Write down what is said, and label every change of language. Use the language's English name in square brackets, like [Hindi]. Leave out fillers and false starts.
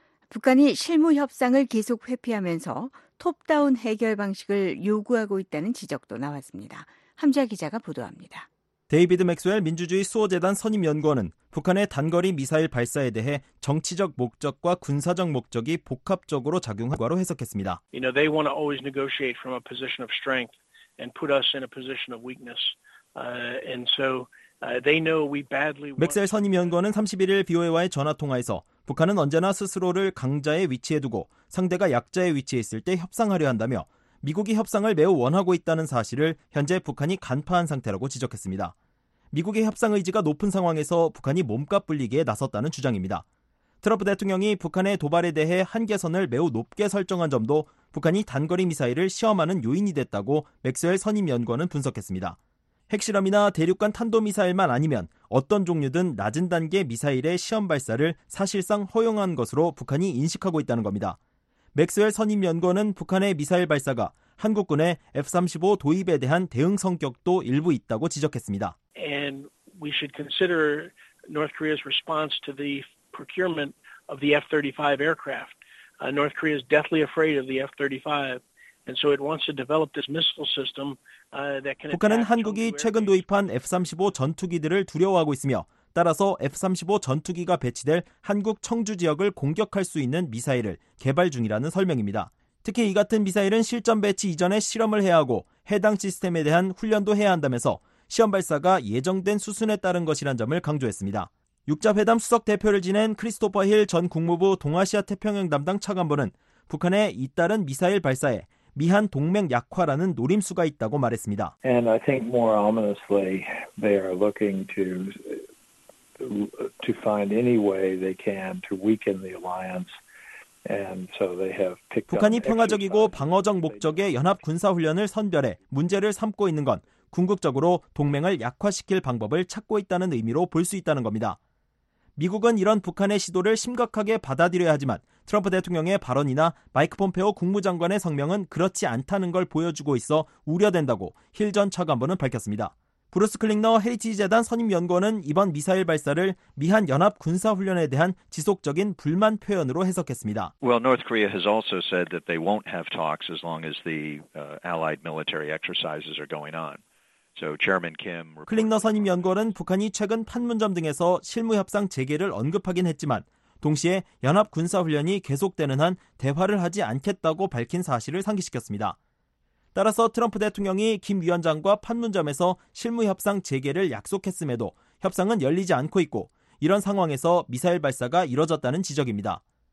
[Korean] 북한이 실무 협상을 계속 회피하면서 톱다운 해결 방식을 요구하고 있다는 지적도 나왔습니다. 함자 기자가 보도합니다. 데이비드 맥스웰 민주주의 수호재단 선임연구원은 북한의 단거리 미사일 발사에 대해 정치적 목적과 군사적 목적이 복합적으로 작용한 결과로 해석했습니다. [English] You know, they want to always negotiate from a position of strength and put us in a position of weakness. And so they know we badly want... [Korean] 맥스웰 선임연구원은 31일 BOA와의 전화통화에서 북한은 언제나 스스로를 강자의 위치에 두고 상대가 약자의 위치에 있을 때 협상하려 한다며 미국이 협상을 매우 원하고 있다는 사실을 현재 북한이 간파한 상태라고 지적했습니다. 미국의 협상 의지가 높은 상황에서 북한이 몸값 불리기에 나섰다는 주장입니다. 트럼프 대통령이 북한의 도발에 대해 한계선을 매우 높게 설정한 점도 북한이 단거리 미사일을 시험하는 요인이 됐다고 맥스웰 선임연구원은 분석했습니다. 핵실험이나 대륙간 탄도미사일만 아니면 어떤 종류든 낮은 단계 미사일의 시험 발사를 사실상 허용한 것으로 북한이 인식하고 있다는 겁니다. 맥스웰 선임연구원은 북한의 미사일 발사가 한국군의 F-35 도입에 대한 대응 성격도 일부 있다고 지적했습니다. [English] And we should consider North Korea's response to the procurement of the F-35 aircraft. North Korea is deathly afraid of the F-35. And so it wants to develop this missile system. [Korean] 북한은 한국이 최근 도입한 F-35 전투기들을 두려워하고 있으며 따라서 F-35 전투기가 배치될 한국 청주 지역을 공격할 수 있는 미사일을 개발 중이라는 설명입니다. 특히 이 같은 미사일은 실전 배치 이전에 실험을 해야 하고 해당 시스템에 대한 훈련도 해야 한다면서 시험 발사가 예정된 수순에 따른 것이란 점을 강조했습니다. 육자회담 수석 대표를 지낸 크리스토퍼 힐 전 국무부 동아시아 태평양 담당 차관보는 북한의 잇따른 미사일 발사에 미한 동맹 약화라는 노림수가 있다고 말했습니다. [English] And I think more ominously, they are looking to to find any way they can to weaken the alliance. And so they have picked [Korean] 북한이 평화적이고 방어적 목적의 연합 군사 훈련을 선별해 문제를 삼고 있는 건 궁극적으로 동맹을 약화시킬 방법을 찾고 있다는 의미로 볼 수 있다는 겁니다. 미국은 이런 북한의 시도를 심각하게 받아들여야 하지만 트럼프 대통령의 발언이나 마이크 폼페오 국무장관의 성명은 그렇지 않다는 걸 보여주고 있어 우려된다고 힐 전 차관보는 밝혔습니다. 브루스 클링너 헤리티지 재단 선임연구원은 이번 미사일 발사를 미한 연합 군사훈련에 대한 지속적인 불만 표현으로 해석했습니다. [English] Well, North Korea has also said that they won't have talks as long as the allied military exercises are going on. So Chairman Kim. [Korean] 클링너 선임연구원은 북한이 최근 판문점 등에서 실무협상 재개를 언급하긴 했지만 동시에 연합 군사훈련이 계속되는 한 대화를 하지 않겠다고 밝힌 사실을 상기시켰습니다. 따라서 트럼프 대통령이 김 위원장과 판문점에서 실무협상 재개를 약속했음에도 협상은 열리지 않고 있고 이런 상황에서 미사일 발사가 이뤄졌다는 지적입니다.